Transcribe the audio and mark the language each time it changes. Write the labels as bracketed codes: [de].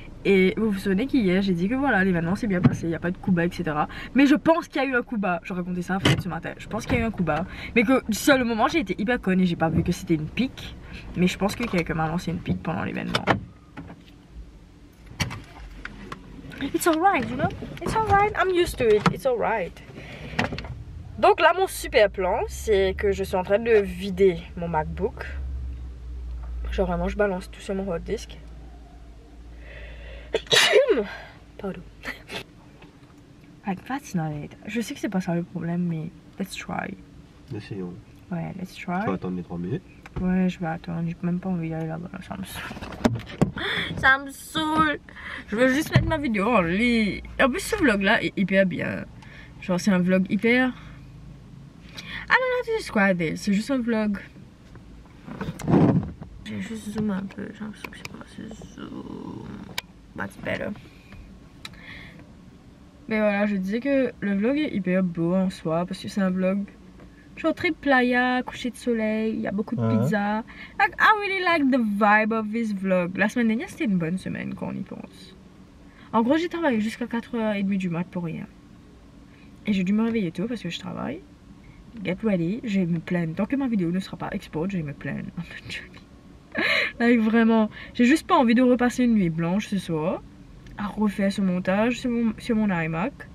[fr] Et vous vous souvenez qu'hier, j'ai dit que voilà, l'événement s'est bien passé, il n'y a pas de coup bas, etc. Mais je pense qu'il y a eu un coup bas. Je racontais ça en fait ce matin. Je pense qu'il y a eu un coup bas. Mais que sur le moment, j'ai été hyper conne et j'ai pas vu que c'était une pique. Mais je pense que quelqu'un m'a lancé une pique pendant l'événement. [en] It's alright, you know? It's alright, I'm used to it, it's alright. [fr] Donc là, mon super plan, c'est que je suis en train de vider mon MacBook. Genre vraiment, je balance tout sur mon hard disk. Pardon. [en] Like, that's not it. [fr] Je sais que c'est pas ça le problème, mais [en] let's try. [fr] Essayons. [en] Ouais, let's try. [fr] Tu vas attendre les 3 minutes. Ouais, je vais attendre. J'ai même pas envie d'aller là-bas. Ça me saoule. Ça me saoule. Je veux juste mettre ma vidéo en ligne. En plus, ce vlog-là est hyper bien. Genre, c'est un vlog hyper... [en] I don't know how to describe it, [fr] c'est juste un vlog. J'ai juste zoomé un peu, j'ai l'impression que c'est pas assez zoom. [en] That's better. [fr] Mais voilà, je disais que le vlog est hyper beau en soi parce que c'est un vlog. Genre très playa, coucher de soleil, il y a beaucoup de pizza. [en] Like, I really like the vibe of this vlog. [fr] La semaine dernière, c'était une bonne semaine quand on y pense. En gros, j'ai travaillé jusqu'à 4h30 du mat pour rien. Et j'ai dû me réveiller tôt parce que je travaille. [en] Get ready, [fr] je vais me plaindre. Tant que ma vidéo ne sera pas export, je vais me plaindre. Like vraiment, j'ai juste pas envie de repasser une nuit blanche ce soir à refaire ce montage sur mon iMac.